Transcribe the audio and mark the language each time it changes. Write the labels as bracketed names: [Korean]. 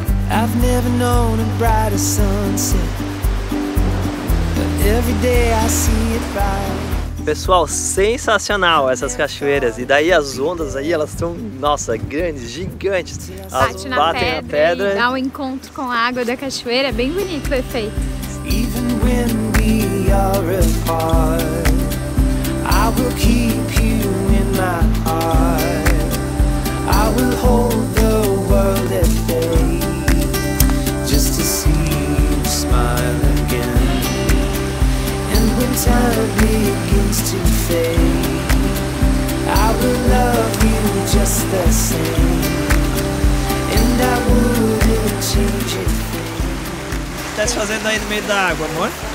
[English] I've never known a brighter sunset, but every day I see it fire. [Portuguese] Pessoal, sensacional essas cachoeiras. E daí as ondas aí, elas estão, nossa, grandes, gigantes. Elas bate na batem pedra, e dá um encontro com a água da cachoeira. É bem bonito o efeito. [English] Even when we are apart, I will keep you in my heart. I will hold the world at bay, just to see you smile again. And when time begins to fade, I will love you just the same, and I wouldn't change a thing. [Portuguese] O que está fazendo aí no meio da água, amor?